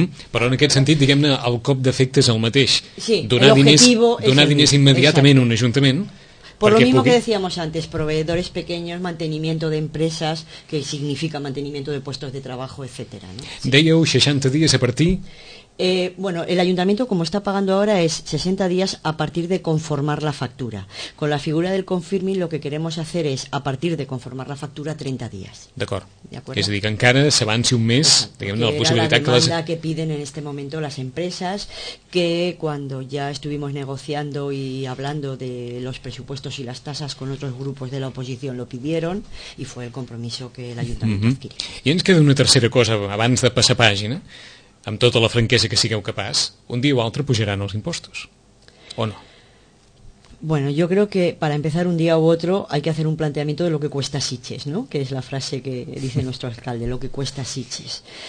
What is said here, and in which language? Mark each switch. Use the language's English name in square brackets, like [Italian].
[Catalan] Però en aquest sentit, diguem-ne, el cop d'efecte és el mateix. Sí, donar diners, immediatament a un ajuntament... [Spanish] Por lo mismo que decíamos antes, proveedores pequeños, mantenimiento de empresas, que significa mantenimiento de puestos de trabajo, etc. ¿No? [Catalan] Dèieu 60 dies a partir... [Spanish] Bueno, el ayuntamiento, como está pagando ahora, es 60 días a partir de conformar la factura. Con la figura del confirming, lo que queremos hacer es, a partir de conformar la factura, 30 días. [Catalan] D'acord. És a dir, que encara s'avanci un mes, diguem-ne, la possibilitat que... [Spanish] Era la demanda que piden en este momento las empresas, que cuando ya estuvimos negociando y hablando de los presupuestos y las tasas con otros grupos de la oposición, lo pidieron, y fue el compromiso que el ayuntamiento adquirió. [Catalan] I ens queda una tercera cosa, abans de passar pàgina... amb tota la franquesa que sigueu capaç, un dia o altre pujaran els impostos, o no? [Spanish] Bueno, yo creo que para empezar un día u otro hay que hacer un planteamiento de lo que cuesta Sitges, ¿no? Que es la frase que dice nuestro alcalde, lo que cuesta Sitges.